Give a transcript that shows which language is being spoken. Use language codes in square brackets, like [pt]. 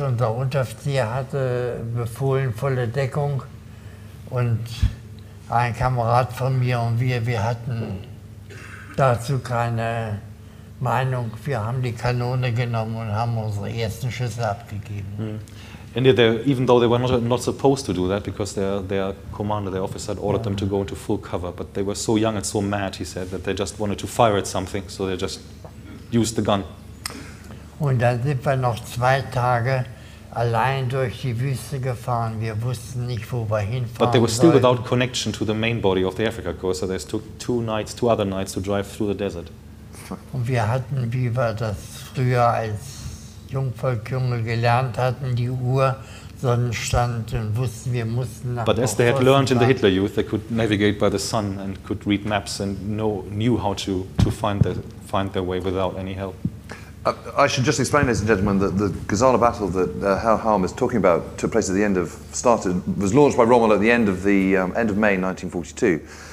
[de] Unser Unteroffizier hatte befohlen, volle Deckung. Und ein Kamerad von mir und wir hatten dazu keine Meinung. Wir haben die Kanone genommen und haben unsere ersten Schüsse abgegeben. Mm. [en] And they, even though they were not supposed to do that, because their commander, their officer, had ordered them to go into full cover, but they were so young and so mad, he said, that they just wanted to fire at something, so they just used the gun. [de] Und dann sind wir noch zwei Tage allein durch die Wüste gefahren. Wir wussten nicht, wo wir hinfahren. [en] But they were still without connection to the main body of the Africa Corps, so they took two other nights to drive through the desert. [de] Und wir hatten, wie wir das früher als Jungvolkjunge gelernt hatten, die Uhr, Sonnenstand, und wussten, wir mussten nach [en] But as they had learned in the Hitler Youth, they could navigate by the sun and could read maps and knew how to find their way without any help. I should just explain, ladies and gentlemen, that the Gazala battle that Herr Haum is talking about took place at the end of, started, was launched by Rommel at the end of the end of May 1942.